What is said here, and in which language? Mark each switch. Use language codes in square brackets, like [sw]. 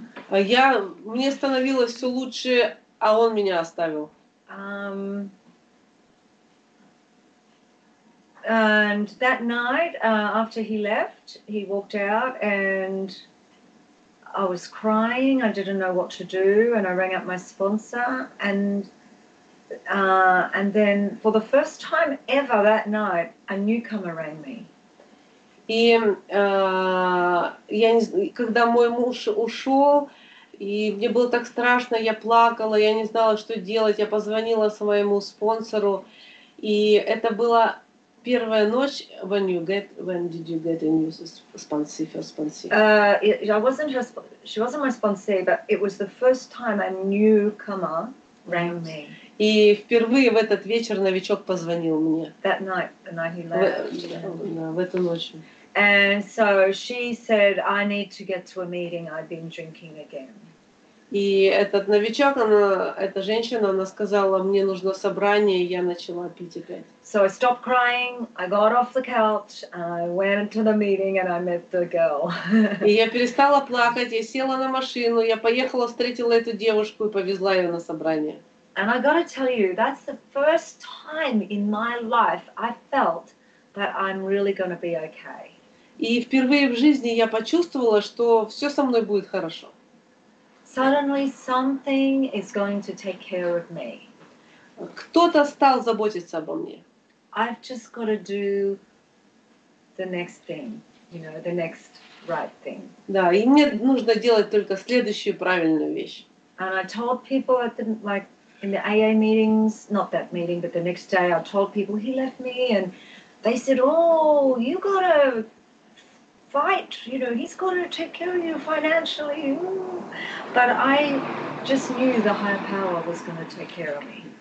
[ru] Мне становилось все лучше, а он меня оставил. [en] And that night, after he left, he walked out and. I was crying, I didn't know what to do, and I rang up my sponsor, and then for the first time ever that night, a newcomer rang me. [ru] И когда мой муж ушел, и мне было так страшно, я плакала, я не знала, что делать, я позвонила своему спонсору, и это была первая ночь. [en] When did you get a new sponsor? She wasn't my sponsor, but it was the first time a newcomer rang me. [ru] И впервые в этот вечер новичок позвонил мне. [en] That night, the night he left. [ru] В эту ночь. [en] And so she said, "I need to get to a meeting. I've been drinking again." [ru] И этот новичок, эта женщина, она сказала, мне нужно собрание, и я начала пить опять. [en] So I stopped crying, I got off the couch, I went to the meeting and I met the girl. [ru] И я перестала плакать, я села на машину, я поехала, встретила эту девушку и повезла ее на собрание. [en] And I gotta tell you, that's the first time in my life I felt that I'm really gonna be okay. [ru] И впервые в жизни я почувствовала, что все со мной будет хорошо. [en] Suddenly something is going to take care of me. [ru] Кто-то стал заботиться обо мне. [en] I've just got to do the next thing, you know, the next right thing. [ru] Да, и мне нужно делать только следующую правильную вещь. [en] And I told people at the, like, in the AA meetings, not that meeting, but the next day, I told people he left me, and they said, oh, you got to fight, you know, he's got to take care of you financially. But I just knew the higher power was going to take care of me.